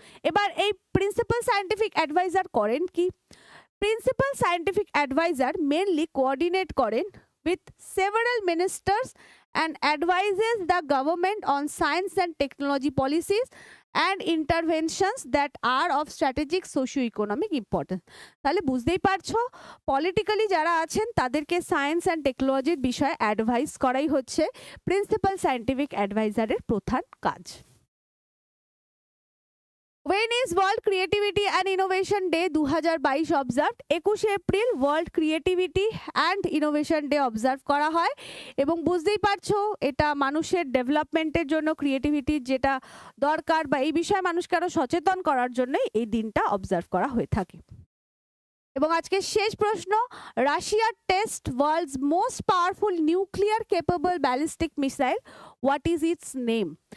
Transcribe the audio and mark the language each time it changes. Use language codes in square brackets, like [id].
[bn] এবার এই principal scientific adviser করেন কি? [en] Principal scientific adviser mainly coordinate করেন with several ministers and advises the government on science and technology policies and interventions that are of strategic socio economic importance. [bn] তাহলে বুঝতেই পারছো, politically যারা আছেন তাদেরকে সায়েন্স অ্যান্ড টেকনোলজির বিষয়ে অ্যাডভাইস করাই হচ্ছে প্রিন্সিপাল সায়েন্টিফিক অ্যাডভাইজারের প্রধান কাজ। [en] When is World Creativity and Innovation Day 2022 observed? 21 April World Creativity and Innovation Day observed করা হয়। [bn] এবং বুঝতেই পারছো এটা মানুষের ডেভেলপমেন্টের জন্য, ক্রিয়েটিভিটির যেটা দরকার বা এই বিষয়ে মানুষকে আরও সচেতন করার জন্যই এই দিনটা অবজার্ভ করা হয়ে থাকে। এবং আজকে শেষ প্রশ্ন, [en] রাশিয়ার test world's most powerful nuclear capable ballistic missile, what is its name?